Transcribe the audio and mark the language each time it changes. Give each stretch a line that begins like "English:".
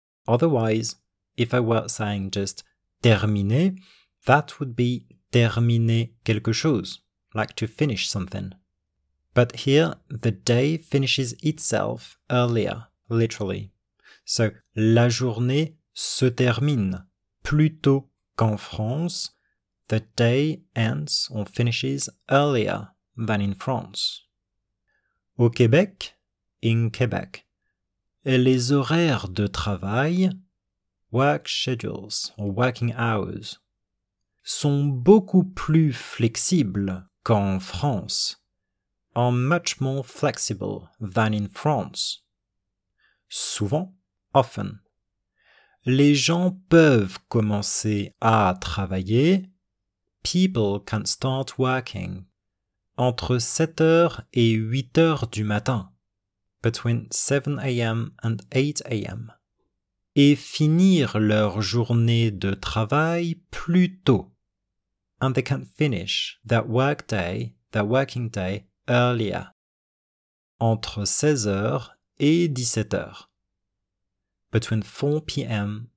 English: Otherwise, if I were saying just terminer, that would be
French: terminer quelque chose,
English: like to finish something. But here, the day finishes itself earlier, literally.
French: So, la journée se termine plus tôt qu'en France.
English: The day ends or finishes earlier than in France.
French: Au Québec,
English: in Quebec,
French: les horaires de travail,
English: work schedules or working hours,
French: sont beaucoup plus flexibles qu'en France.
English: Are much more flexible than in France.
French: Souvent, often. Les gens peuvent commencer à travailler.
English: People can start working.
French: Entre 7h et 8h du matin.
English: Between 7 a.m. and 8 a.m.
French: Et finir leur journée de travail plus tôt.
English: And they can finish their working day, earlier,
French: entre 16h et 17h,
English: between 4 p.m.